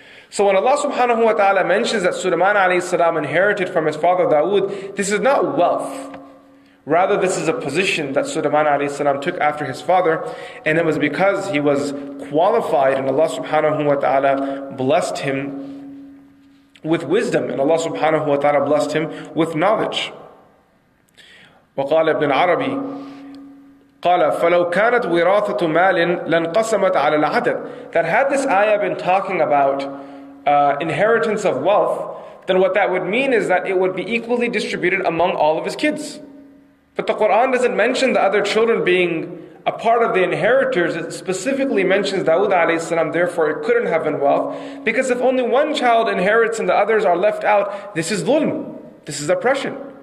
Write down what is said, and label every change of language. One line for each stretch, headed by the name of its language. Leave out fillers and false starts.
English: So when Allah subhanahu wa ta'ala mentions that Sulaiman alayhi salam inherited from his father Dawood, this is not wealth. Rather, this is a position that Sulaiman alayhi salam took after his father, and it was because he was qualified and Allah subhanahu wa ta'ala blessed him with wisdom, and Allah subhanahu wa ta'ala blessed him with knowledge.
Arabic: وقال ابن عربي قال فلو كانت وراثة مال لانقسمت على العدد.
English: That had this ayah been talking about inheritance of wealth, then what that would mean is that it would be equally distributed among all of his kids. But the Quran doesn't mention the other children being a part of the inheritors. It specifically mentions Dawood alayhi salam, therefore it couldn't have been wealth, because if only one child inherits and the others are left out, this is dhulm, this is oppression.